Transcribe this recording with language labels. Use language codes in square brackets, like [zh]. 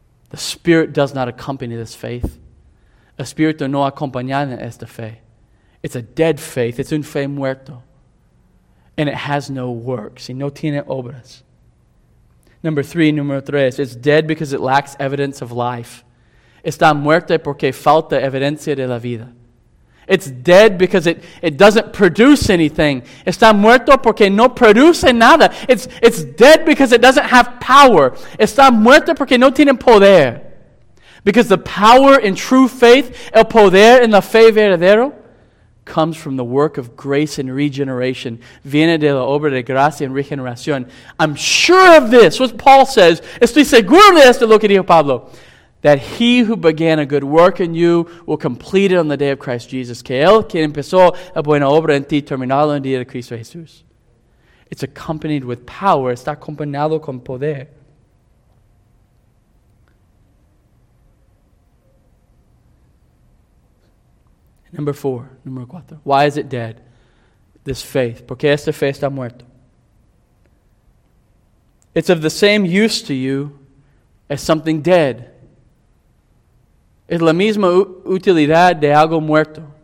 [en] The Spirit does not accompany this faith. [es] El espíritu no acompaña esta fe. [en] It's a dead faith. It's [es] un fe muerto. [en] And it has no works. [es] Y no tiene obras. Número tres. [en] It's dead because it lacks evidence of life. [es] Está muerto porque falta evidencia de la vida. [en] It's dead because it doesn't produce anything. [es] Está muerto porque no produce nada. [en] It's dead because it doesn't have power. [es] Está muerto porque no tiene poder. [en] Because the power in true faith, [es] el poder en la fe verdadero, [en] comes from the work of grace and regeneration. [es] Viene de la obra de gracia y regeneración. [en] I'm sure of this, what Paul says. [es] Estoy seguro de esto, lo que dijo Pablo. [en] That he who began a good work in you will complete it on the day of Christ Jesus. [es] Que él quien empezó la buena obra en ti terminarlo en día de Cristo Jesús. [en] It's accompanied with power. [es] Está acompañado con poder. Número cuatro. [en] Why is it dead? This faith. [es] ¿Por qué esta fe está muerta? [en] It's of the same use to you as something dead. [es] Es la misma utilidad de algo muerto.